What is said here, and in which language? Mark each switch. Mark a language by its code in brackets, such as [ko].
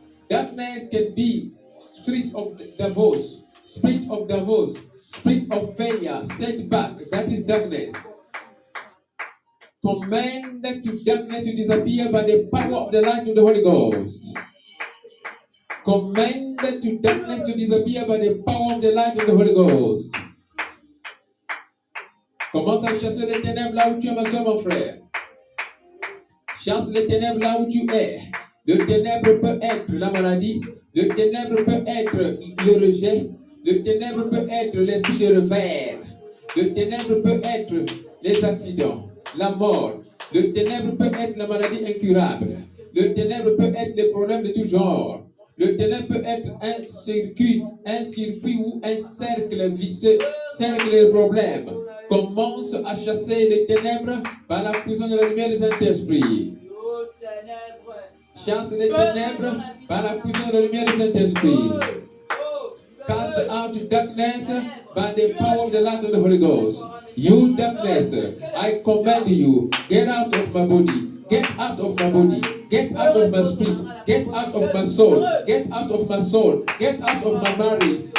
[en] Darkness can be spirit of divorce, spirit of divorce, spirit of failure, setback. That is darkness. Command to darkness to disappear by the power of the light of the Holy Ghost. Command to darkness to disappear by the power of the light of the Holy Ghost. [fr] Commence à chasser les ténèbres là où tu es, ma soeur, mon frère. Chasse les ténèbres là où tu es. Le ténèbre peut être la maladie. Le ténèbre peut être le rejet. Le ténèbre peut être l'esprit de revers. Le ténèbre peut être les accidents, la mort. Le ténèbre peut être la maladie incurable. Le ténèbre peut être des problèmes de tout genre. Le ténèbre peut être un circuit ou un cercle vicieux, cercle des problèmes. Commence à chasser les ténèbres par la puissance de la lumière du Saint-Esprit. Chasse les ténèbres par la puissance de la lumière du Saint-Esprit. [en] Cast out darkness by the power of the light of the Holy Ghost. You darkness, I command you, get out of my body. Get out of my body. Get out of my spirit. Get out of my soul. Get out of my soul. Get out of my marriage.